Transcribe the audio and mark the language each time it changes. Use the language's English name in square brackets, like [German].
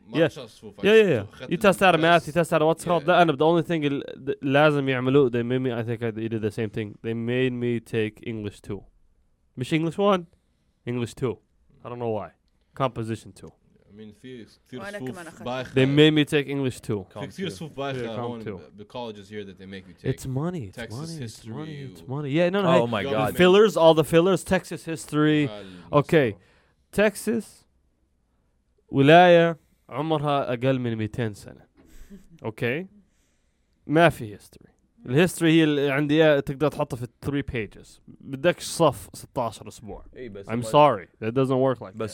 [English] yeah yeah yeah you test out of math you test out of what's called that and the only thing [Arabic] لازم يعملوا [English] they made me I think I did the same thing they made me take English 2 [Arabic] مش [English] English 1 English 2 I don't know why composition 2 I mean [Arabic] في كثير صفوف بايخه [English] they made me take English 2 [Arabic] كثير صفوف بايخه [English] the colleges here that they make you take it's money Texas it's money history it's money yeah no no oh my god fillers all the fillers Texas history okay Texas [Arabic] ولاية عمرها أقل من 200 سنة أوكي ما في هيستوري الهيستوري هي اللي عندي تقدر تحطها في 3 pages بدك صف 16 أسبوع [English] I'm sorry that doesn't work like